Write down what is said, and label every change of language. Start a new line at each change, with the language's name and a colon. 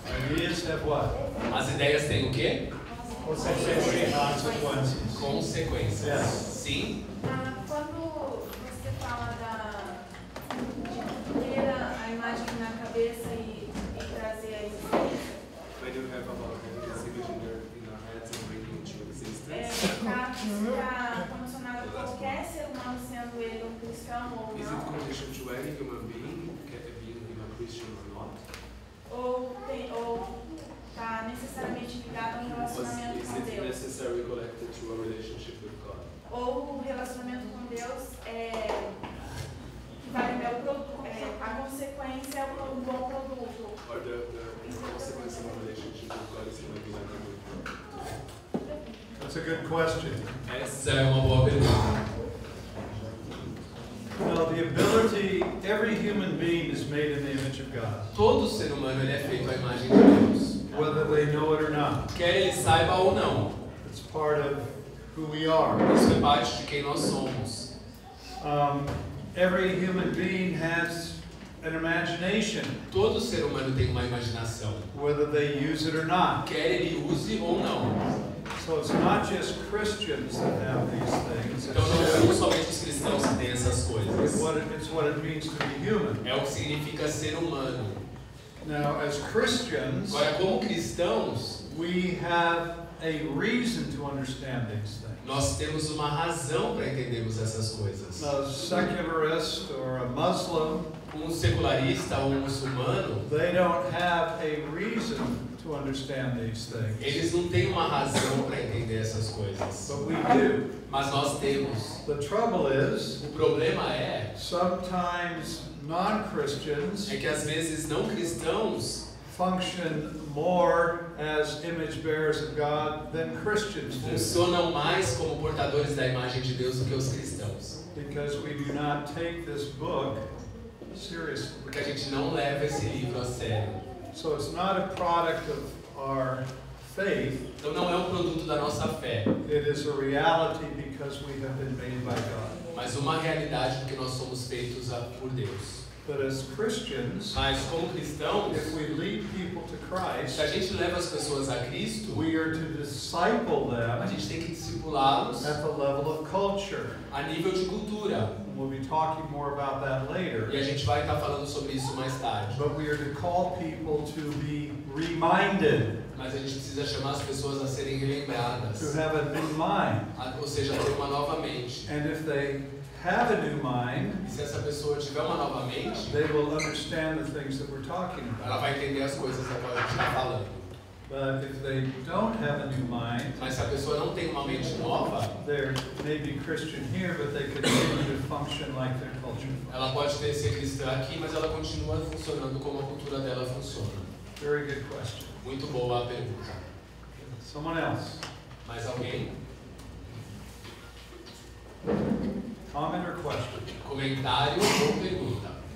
English: Ideas have what?
Portuguese: As ideias têm o quê? Consequências. Consequências.
English: Yes.
Portuguese: Sim? Quando você fala de ter a imagem na cabeça e trazer a existência.
English: When you have about this image in our heads and bringing it to existence.
Portuguese: Está condicionado a qualquer ser humano sendo ele um cristão ou não.
English: Is it conditioned to any human being, being him a Christian or not?
Portuguese: Ou está necessariamente ligado a um relacionamento com Deus.
English: To a with God?
Portuguese: Ou o relacionamento com Deus é que vai é o produto, é, a consequência é um bom produto.
English: Or the consequence of a relationship with God is going to be like a good product. That's a good question.
Portuguese: Essa é uma boa pergunta.
English: Well, the ability, every human being is made in the image of God.
Portuguese: Todo ser humano ele é feito à imagem de Deus.
English: Whether they know it or not.
Portuguese: Quer ele saiba ou não.
English: It's part of who we are.
Portuguese: Isso é parte de quem nós somos.
English: Every human being has an imagination.
Portuguese: Todo ser humano tem uma imaginação.
English: Whether they use it or not.
Portuguese: Quer ele use ou não.
English: So it's not just Christians that have these things.
Portuguese: Então não são somente os cristãos que têm essas coisas.
English: It's what it means to be human.
Portuguese: É o que significa ser humano.
English: Now, as Christians,
Portuguese: agora, como cristãos,
English: we have a reason to understand these things.
Portuguese: Nós temos uma razão para entendermos essas coisas.
English: A secularist or a Muslim,
Portuguese: um secularista ou um muçulmano,
English: they don't have a reason to understand these things.
Portuguese: Eles não têm uma razão para entender essas coisas.
English: But we do.
Portuguese: Mas nós temos.
English: The trouble is,
Portuguese: o problema é,
English: sometimes non-Christians,
Portuguese: é que às vezes não cristãos,
English: function more as image bearers of God than Christians do.
Portuguese: Funcionam mais como portadores da imagem de Deus do que os cristãos.
English: Because we do not take this book seriously.
Portuguese: Porque a gente não leva esse livro a sério.
English: So it's not a product of our faith.
Portuguese: Então não é um produto da nossa fé.
English: It is a reality because we have been made by God.
Portuguese: Mas uma realidade porque nós somos feitos por Deus.
English: But as Christians,
Portuguese: mas como cristãos,
English: if we lead people to Christ,
Portuguese: se a gente leva as pessoas a Cristo,
English: we are to disciple them,
Portuguese: a gente tem que discipulá-los
English: at the level of culture,
Portuguese: a nível de cultura.
English: We'll be talking more about that later.
Portuguese: E a gente vai estar falando sobre isso mais tarde.
English: But we are to call people to be reminded.
Portuguese: Mas a gente precisa chamar as pessoas a serem relembradas.
English: To have a new mind.
Portuguese: Ou seja, ter uma nova mente.
English: And if they have a new mind,
Portuguese: e se essa pessoa tiver uma nova mente,
English: they will understand the things that we're talking about.
Portuguese: Ela vai entender as coisas que a gente está falando.
English: But if they don't have a new mind,
Portuguese: mas se a pessoa não tem uma mente nova,
English: they may be Christian here, but they continue to function like their culture.
Portuguese: Ela pode ser cristã aqui, mas ela continua funcionando como a cultura dela funciona.
English: Very good question.
Portuguese: Muito boa a pergunta.
English: Someone else.
Portuguese: Mais alguém?
English: Comment or question?
Portuguese: Comentário ou pergunta?